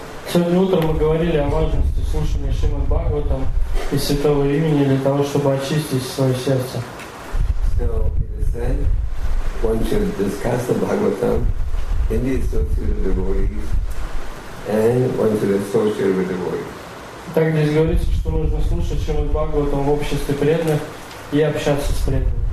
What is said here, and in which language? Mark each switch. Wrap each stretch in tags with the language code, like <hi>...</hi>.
<ru>Сегодня утром мы говорили о важности слушания Шримад Бхагаватам и Святого Имени для того, чтобы очистить свое сердце.</ru> <en>So, it is said, one should discuss the Bhagavatam in the association of devotees and one should associate with devotees.</en> <ru>Так здесь говорится, что нужно слушать Шримад Бхагаватам в обществе преданных и общаться с преданными.</ru>